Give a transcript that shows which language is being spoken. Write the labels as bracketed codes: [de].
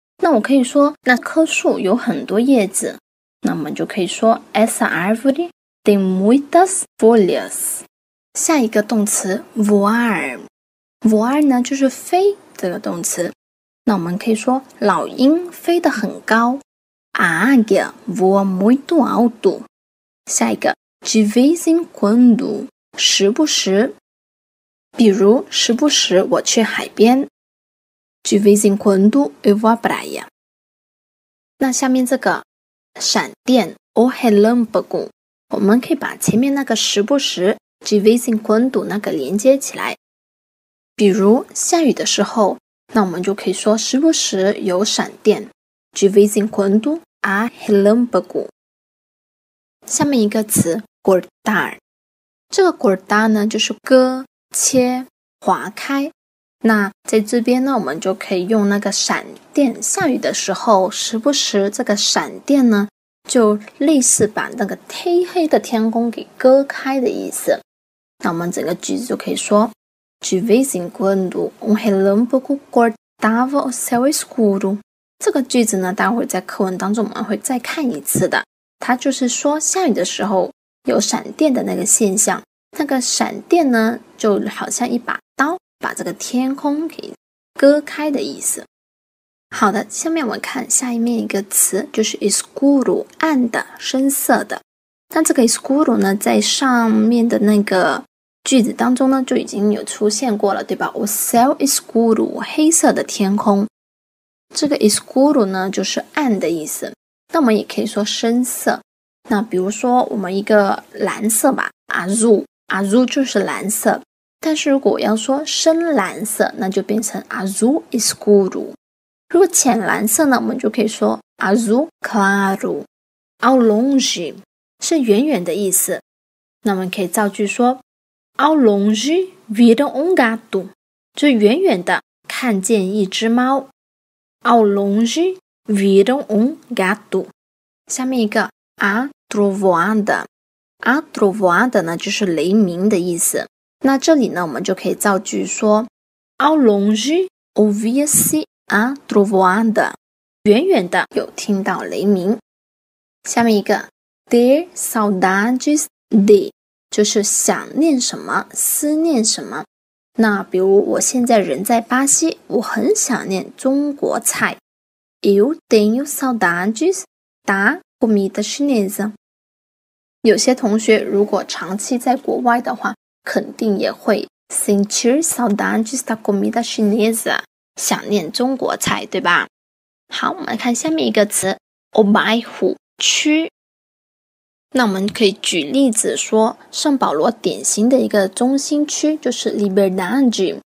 [zh] 那我可以说那棵树有很多叶子，那我们就可以说 [pt] essa árvore tem muitas folhas。 [zh] 下一个动词 voar， voar 呢就是飞这个动词，那我们可以说老鹰飞得很高， [pt] a águia voa muito alto。 [zh] 下一个 de vez em quando， 时不时，比如时不时我去海边， [pt] De vez em quando eu vou à praia。 [zh] 那下面这个闪电 O relâmpago， 我们可以把前面那个时不时 [pt] De vez em quando 那个连接起来，比如下雨的时候，那我们就可以说时不时有闪电， De vez em quando há relâmpago。 [zh] 下面一个词 cortar， 这个 cortar 呢就是割、切、划开，那在这边呢，我们就可以用那个闪电，下雨的时候时不时这个闪电呢就类似把那个黑黑的天空给割开的意思。那我们整个句子就可以说 [pt] De vez em quando um relâmpago cortava o céu escuro。 [zh] 这个句子呢，待会在课文当中我们会再看一次的，它就是说下雨的时候有闪电的那个现象，那个闪电呢就好像一把刀把这个天空给割开的意思。好的，下面我们看下一面一个词，就是 escuro， 暗的，深色的。那这个 escuro 呢，在上面的那个句子当中呢，就已经有出现过了，对吧？ [pt] O céu escuro， [zh] 黑色的天空。这个 escuro 呢，就是暗的意思。那我们也可以说深色。那比如说我们一个蓝色吧， azul 就是蓝色。但是如果要说深蓝色，那就变成 azul escuro。如果浅蓝色呢，我们就可以说 azul claro。 ao longe 是远远的意思，那我们可以造句说 [pt] ao longe vira um gato， [zh] 就远远的看见一只猫， ao longe vira um gato。下面一个 a trovoada， a trovoada 呢就是雷鸣的意思。那这里呢，我们就可以造句说 [pt] Ao longe ouvia-se a trovoada， [zh] 远远的有听到雷鸣。下面一个 Ter saudades de， 就是想念什么，思念什么。那比如我现在人在巴西，我很想念中国菜。 [pt] Eu tenho saudades da comida chinesa。 [zh] 有些同学如果长期在国外的话，肯定也会 [pt] sentir saudades da comida chinesa， [zh] 想念中国菜，对吧？好，我们来看下面一个词 ，o bairro 区。那我们可以举例子说，圣保罗典型的一个中心区就是 Liberdade。